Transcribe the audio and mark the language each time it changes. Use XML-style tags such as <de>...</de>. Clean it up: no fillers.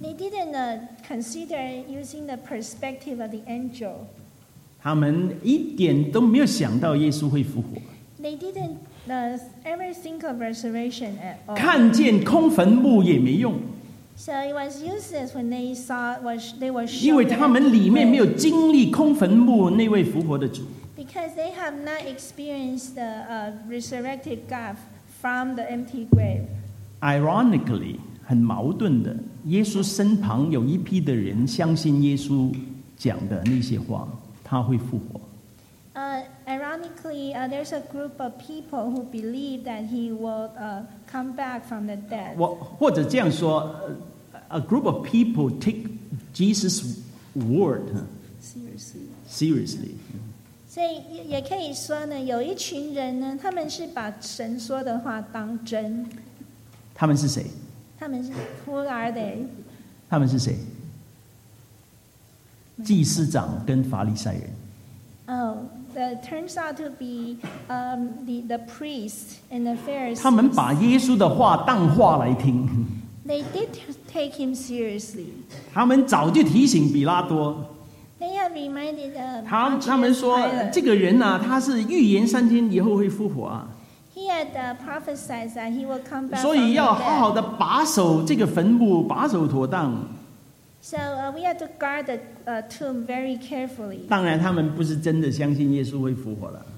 <en>They didn't consider using the perspective of the angel.</en> <zh>他们一点都没有想到耶稣会复活。</zh> <en>They didn't ever think of resurrection at all.</en> <zh>看见空坟墓也没用。</zh> <en>So it was useless when they saw what they were shown.</en> <zh>因为他们里面没有经历空坟墓那位复活的主。</zh> <en>Because they have not experienced the resurrected God from the empty grave.</en> <zh>Ironically, 很矛盾的, 耶稣身旁有一批的人相信耶稣讲的那些话, 他会复活。</zh> <en>Ironically, there's a group of people who believe that he will come back from the dead.</en> <zh>或者这样说,</zh> <en>a group of people take Jesus' word seriously.</en> <zh>所以也可以说呢, 有一群人呢, 他们是把神说的话当真。他们是谁? 他们是,</zh> <en>who are they?</en> <zh>他们是谁? 祭司长跟法利赛人。</zh> <en>Oh, it turns out to be the priest and the Pharisees.</en> <zh>他们把耶稣的话当话来听。</zh> <en>They did take him seriously.</en> <zh>他们早就提醒比拉多。</zh> <en>They have reminded Pilate.</en> <zh>他们说, 这个人啊, 他是预言三天以后会复活啊。</zh> <en>He had prophesied that he will come back.</en> <zh>所以要好好的把守这个坟墓，把守妥当。</zh> <en>So we had to guard the tomb very carefully.</en> <zh>当然，他们不是真的相信耶稣会复活了。</zh>